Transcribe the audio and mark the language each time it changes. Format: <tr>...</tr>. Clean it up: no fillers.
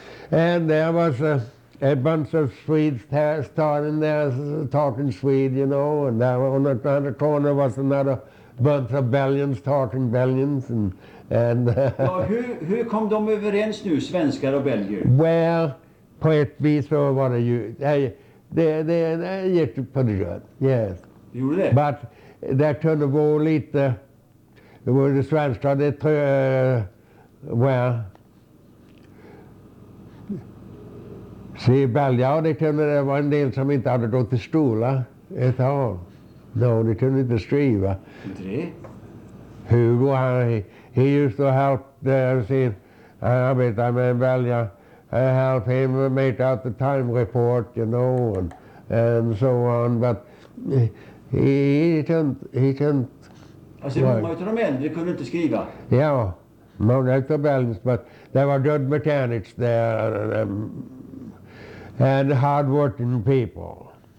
<en>And there was a bunch of Swedes starting there, talking Swede, you know. And on the corner was another bunch of Belgians talking Belgians. And</en> <sv>hur kom de överens nu, svenskar och belgier?</sv> <en>Well,</en> <sv>på ett vis så var det ju... Det gick</sv> <en>pretty good, yes.</en> <sv>Gjorde det?</sv> <en>But...</en> <sv>Det kunde vara lite, det var det svenska, det tror jag,</sv> <en>well.</en> <sv>Se, i Belgien, det kunde det vara en del som inte hade gått till skola ett tag. No, det kunde inte skriva. Inte det?</sv> <en>Hugo, he used to help,</en> <sv>han arbetade med en Belgien,</sv> <en>help him make out the time report, you know, and so on, but... He couldn't.</en> <sv>Alltså, många av de äldre kunde inte skriva. Ja, många av Belgien,</sv> <en>but there were good mechanics there and hard-working people.</en>